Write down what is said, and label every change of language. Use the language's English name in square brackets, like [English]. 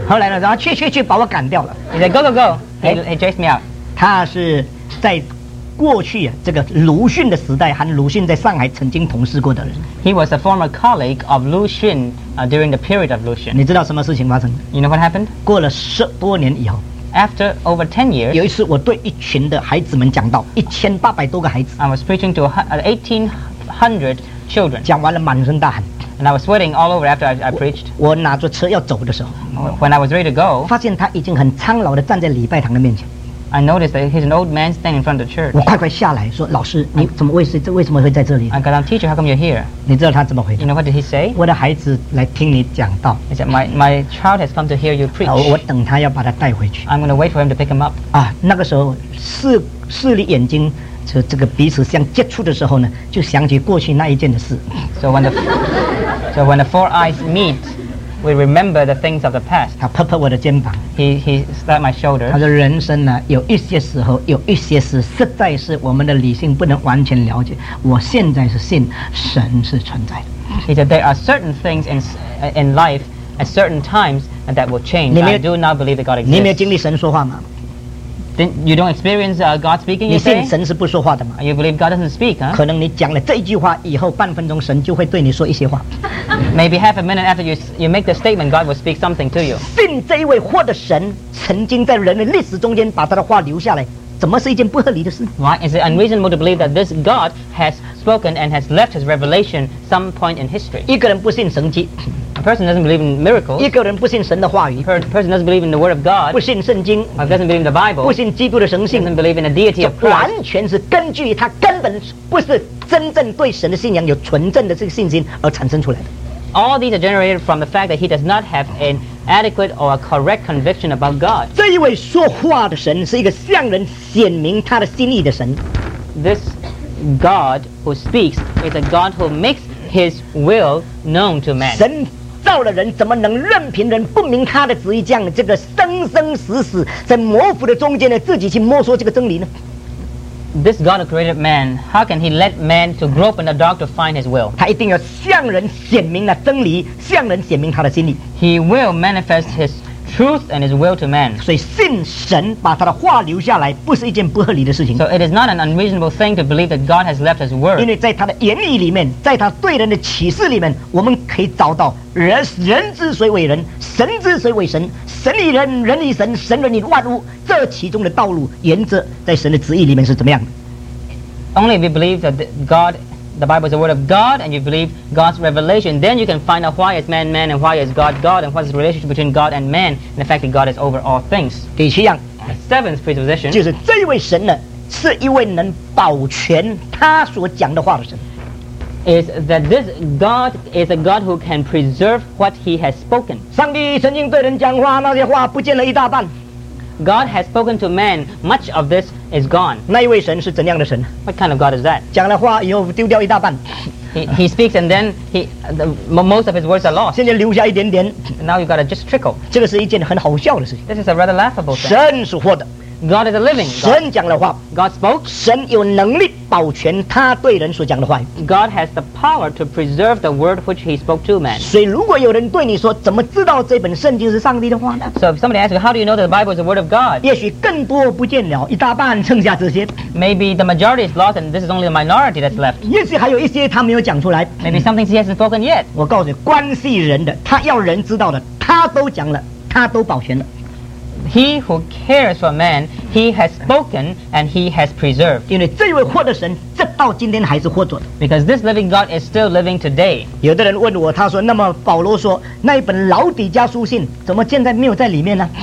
[Chinese] 后来呢，然后去把我赶掉了。 [English] He said, go, go, go. He chased me out. [Chinese] 他是在。过去啊，这个鲁迅的时代，和鲁迅在上海曾经同事过的人。 [English] He was a former colleague of Lu Xun, during the period of Lu Xun. [Chinese] 你知道什么事情发生 [English] ？You know what happened? [Chinese] 过了十多年以后 [English] ，After over 10 years, [Chinese] 有一次我对一群的孩子们讲道，1800多个孩子。 [English] I was preaching to 1800 children. [Chinese] 讲完了满身大汗。 [English] And I was sweating all over after I preached. [Chinese] 我拿着车要走的时候 [English] ，When I was ready to go, [Chinese] 发现他已经很苍老的站在礼拜堂的面前。 [English] I noticed that he's an old man standing in front of the church. [Chinese] 我快快下来说，老师，你怎么为什么会在这里？ [English] I got him, teacher, how come you're here? [Chinese] 你知道他怎么回答？ [English] You know what did he say? [Chinese] 我的孩子来听你讲道。 [English] He said, my child has come to hear you preach. [Chinese] 我等他要把他带回去。 [English] I'm going to wait for him to pick him up. [Chinese] 啊，那个时候视力眼睛就这个彼此相接触的时候呢，就想起过去那一件的事。 [English] So when the four eyes meet. We remember the things of the past. [Chinese] 他拍拍我的肩膀。 [English] He slapped my shoulder. [Chinese] 他说人生呢，有一些时候，有一些事，实在是我们的理性不能完全了解。我现在是信神是存在的。 [English] He said there are certain things in life at certain times that will change. I do not believe that God exists. [Chinese] 你没有经历神说话吗？ [English] Then you don't experience God speaking, you say? [Chinese] 你信神是不说话的吗？ [English] You believe God doesn't speak, huh? [Chinese] 可能你讲了这句话以后半分钟神就会对你说一些话。 [English] Maybe half a minute after you make the statement, God will speak something to you. [Chinese] 信这一位活的神曾经在人类历史中间把他的话留下来，怎么是一件不合理的事？ [English] Why is it unreasonable to believe that this God has spoken and has left his revelation some point in history? [Chinese] 一个人不信神迹。 [English] A person doesn't believe in miracles. [Chinese] 一个人不信神的话语。 [English] A person doesn't believe in the word of God. [Chinese] 不信圣经。 [English] A person doesn't believe in the Bible. [Chinese] 不信基督的神性。 [English] Doesn't believe in the deity of Christ. [Chinese] 完全是根据他根本不是真正对神的信仰有纯正的这个信心而产生出来的。 [English] All these are generated from the fact that he does not have an adequate or a correct conviction about God. [Chinese] 这一位说话的神是一个向人显明他的心意的神。 [English] This God who speaks is a God who makes his will known to man. [Chinese] 神造了人，怎么能任凭人不明他的旨意，这样这个生生死死在模糊的中间呢，自己去摸索这个真理呢？ [English] This God who created man, how can he let man to grope in the dark to find his will? [Chinese] 他一定要向人显明了真理，向人显明他的心意。 [English] He will manifest his truth and his will to man. [Chinese] 所以信神把他的话留下来，不是一件不合理的事情。 [English] So it is not an unreasonable thing to believe that God has left his word. [Chinese] 因为在他的言语里面，在他对人的启示里面，我们可以找到。人之所以为人，神之所以为神，神以人，人以神，神人以万物，这其中的道路原则在神的旨意里面是怎么样的？ [English] Only if you believe that God, the Bible is the word of God, and you believe God's revelation, then you can find out why is man man and why is God God, and what's the relationship between God and man, and the fact that God is over all things. [Chinese] 第七样 [English] the seventh presupposition [Chinese] 就是这一位神呢，是一位能保全他所讲的话的神。 [English] Is that this God is a God who can preserve what he has spoken. [Chinese] 上帝曾经对人讲话，那些话不见了一大半。 [English] God has spoken to man, much of this is gone. [Chinese] 那一位神是怎样的神？ [English] What kind of God is that? [Chinese] 讲了话以后丢掉一大半。 [English] He speaks and then most of his words are lost. [Chinese] 现在留下一点点。 [English] Now you've got to just trickle. [Chinese] 这个是一件很好笑的事情。 [English] This is a rather laughable thing. [Chinese] 神是活的。 [English] God is a living God. [Chinese] 神讲了话。 [English] God spoke. [Chinese] 神有能力保全他对人所讲的话。 [English] God has the power to preserve the word which he spoke to man. [Chinese] 所以如果有人对你说，怎么知道这本圣经是上帝的话呢？ [English] So if somebody asks you, how do you know that the Bible is the word of God? [Chinese] 也许更多不见了，一大半剩下这些。 [English] Maybe the majority is lost and this is only the minority that's left. [Chinese] 也许还有一些他没有讲出来。 [English] Maybe something he hasn't spoken yet. [Chinese] 我告诉你，关系人的，他要人知道的，他都讲了，他都保全了。 [English] He who cares for man, he has spoken and he has preserved. [Chinese] 因为这位活的神，直到今天还是活着的。 [English] Because this living God is still living today. [Chinese] 有的人问我，他说：“那么保罗说那一本老底家书信，怎么现在没有在里面呢？”